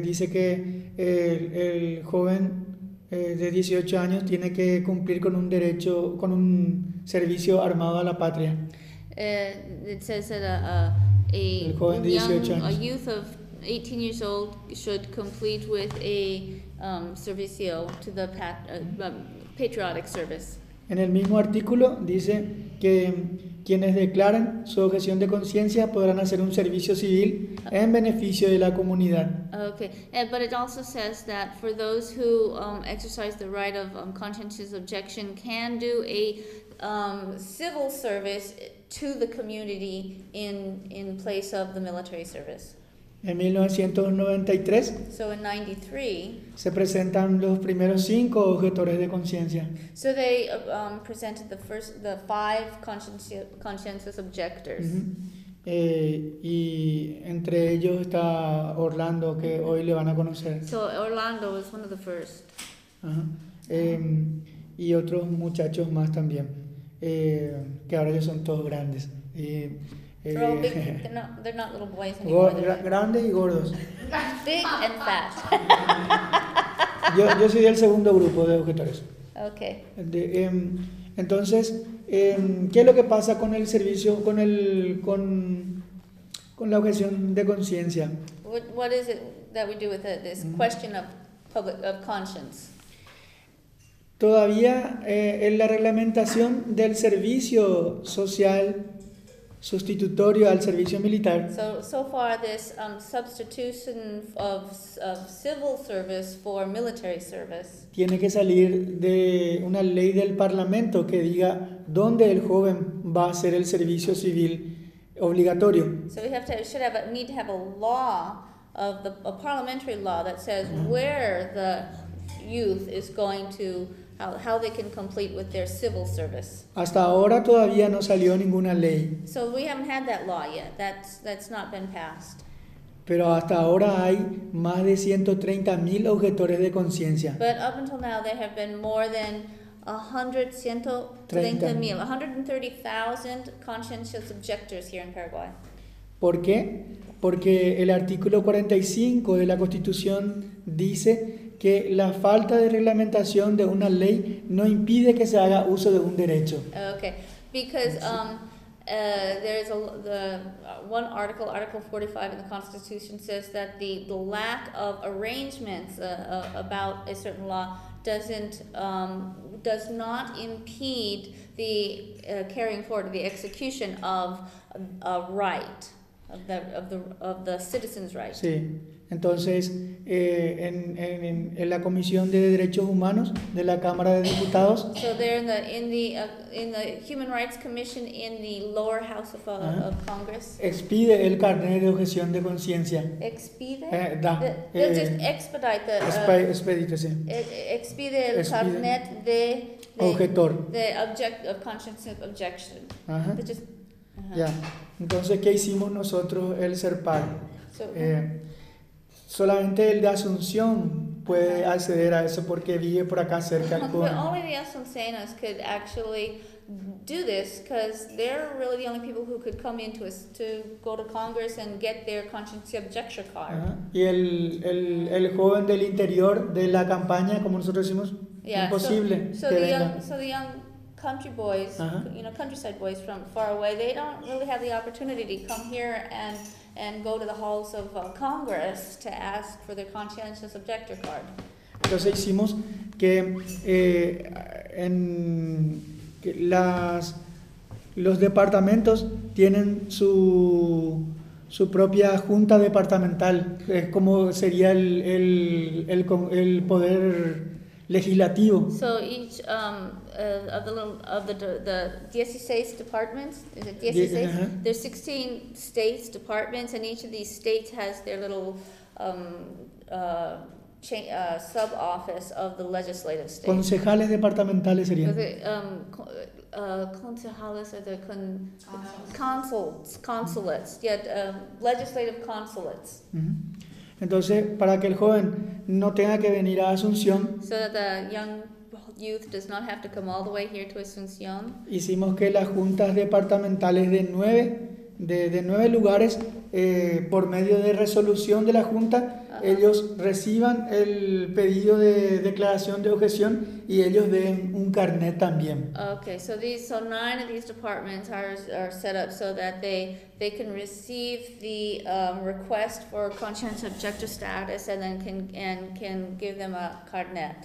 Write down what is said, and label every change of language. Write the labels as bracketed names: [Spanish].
[Spanish] Dice que el joven de 18 años tiene que cumplir con un derecho, con un servicio armado a la patria. [English] It says that a youth of 18 years old should complete with a servicio to the patriotic service. [Spanish] En el mismo artículo dice que quienes declaran su objeción de conciencia podrán hacer un servicio civil en beneficio de la comunidad. [English] Okay, but it also says that for those who exercise the right of conscientious objection can do a civil service to the community in place of the military service. [Spanish] En 1993, [English] so in 93, [Spanish] se presentan los primeros 5 objetores de conciencia. [English] So they presented the 5 conscientious objectors. Mm-hmm. [Spanish] Y entre ellos está Orlando, que mm-hmm. hoy le van a conocer. [English] So Orlando was one of the first. [Spanish] Uh-huh. Y otros muchachos más también. Que ahora ellos son todos grandes. Grandes y gordos. [English] Big and fat. [Spanish] yo soy del segundo grupo de objetores. [English] Okay. [Spanish] Entonces, ¿qué es lo que pasa con el servicio, con la objeción de conciencia? [English] What is it that we do with this question of conscience? [Spanish] Todavía en la reglamentación del servicio social sustitutorio al servicio militar. [English] So far this substitution of civil service for military service. [Spanish] Tiene que salir de una ley del Parlamento que diga dónde el joven va a hacer el servicio civil obligatorio. [English] So we have to need to have a law of a parliamentary law that says where the youth is going to how they can complete with their civil service. [Spanish] Hasta ahora todavía no salió ninguna ley. [English] So we haven't had that law yet. That's not been passed. [Spanish] Pero hasta ahora hay más de 130,000 objetores de conciencia. [English] But up until now there have been more than 130,000 conscientious objectors here in Paraguay. [Spanish] ¿Por qué? Porque el artículo 45 de la Constitución dice que la falta de reglamentación de una ley no impide que se haga uso de un derecho. [English] Okay, because there is one article 45 in the Constitution says that the lack of arrangements about a certain law does not impede the carrying forward the execution of a right of the citizen's right. [Spanish] Sí. Entonces, en la Comisión de Derechos Humanos de la Cámara de Diputados. [English] So they're in the Human Rights Commission in the lower house of Congress. [Spanish] Expide el carnet de objeción de conciencia. Expide. Da. [English] They'll just expedite the. Expedite, sí. [Spanish] Expide el carnet de. Objetor. [English] The object of conscience objection. [Spanish] Ajá. Uh-huh. Ya. Entonces, ¿qué hicimos nosotros el SERPAR? Solamente el de Asunción puede acceder a eso porque vive por acá cerca. [English] But only the Asuncenas could actually do this because they're really the only people who could come into us to go to Congress and get their conscience objection card. [Spanish] Y el joven del interior de la campaña, como nosotros decimos, imposible. [English] So the young country boys, uh-huh. You know, countryside boys from far away, they don't really have the opportunity to come here and go to the halls of Congress to ask for their conscientious objector card. [Spanish] Entonces hicimos que en que los departamentos tienen su propia junta departamental, es como sería el poder legislativo. [English] So each of the 16 departments, is it 16? Uh-huh. There's 16 states departments, and each of these states has their little sub office of the legislative state. [Spanish] Concejales departamentales serían. [English] Concejales are the consulates. Uh-huh. Yeah, legislative consulates. Uh-huh. [Spanish] Entonces, para que el joven no tenga que venir a Asunción. [English] So that the young youth does not have to come all the way here to Asunción. [Spanish] Hicimos que las juntas departamentales de 9 de nueve lugares, por medio de resolución de la Junta, ellos reciban el pedido de declaración de objeción y ellos den un carnet también. [English] Okay, so these, so nine of these departments are set up so that they can receive the request for conscientious objector status and then can give them a carnet.